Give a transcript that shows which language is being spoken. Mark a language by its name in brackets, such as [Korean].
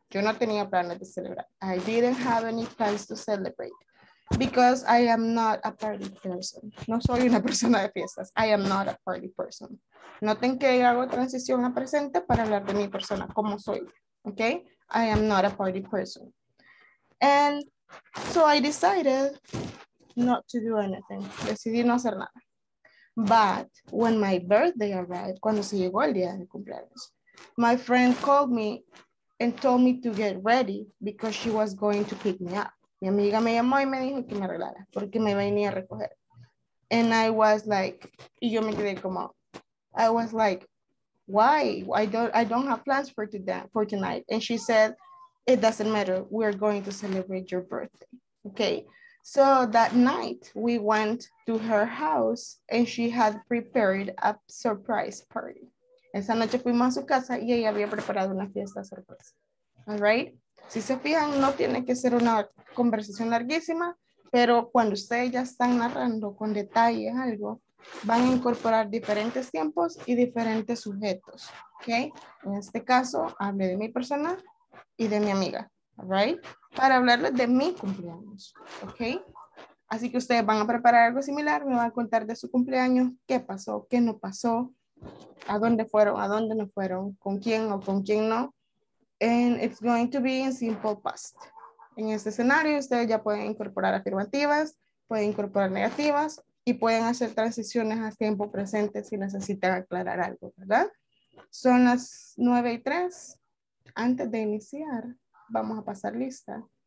[Spanish] Yo no tenía planes de celebrar. [English] I didn't have any plans to celebrate. Because I am not a party person. [Spanish] No soy una persona de fiestas. [English] I am not a party person. [Spanish] Noten que hago transición a presente para hablar de mi persona, como soy. [English] Okay? I am not a party person. And so I decided not to do anything. [Spanish] Decidí no hacer nada. [English] But when my birthday arrived, [Spanish] cuando se llegó el día de cumpleaños, [English] my friend called me and told me to get ready because she was going to pick me up. [Spanish] Mi amiga me llamó y me dijo que me arreglara porque me venía a recoger. [English] And I was like, [Spanish] y yo me quedé como, [English] I was like, why? I don't have plans for tonight. And she said, it doesn't matter. We are going to celebrate your birthday. Okay. So that night we went to her house and she had prepared a surprise party. [Spanish] Esa noche fuimos a su casa y ella había preparado una fiesta sorpresa. All right. Si se fijan, no tiene que ser una conversación larguísima, pero cuando ustedes ya están narrando con detalle algo, van a incorporar diferentes tiempos y diferentes sujetos, ¿ok? En este caso, hablé de mi persona y de mi amiga, ¿right? Para hablarles de mi cumpleaños, ¿ok? Así que ustedes van a preparar algo similar, me van a contar de su cumpleaños, qué pasó, qué no pasó, a dónde fueron, a dónde no fueron, con quién o con quién no. [English] And it's going to be in simple past. [Spanish] En este escenario, ustedes ya pueden incorporar afirmativas, pueden incorporar negativas y pueden hacer transiciones a tiempo presente si necesitan aclarar algo, ¿verdad? Son las 9:03. Antes de iniciar, vamos a pasar lista.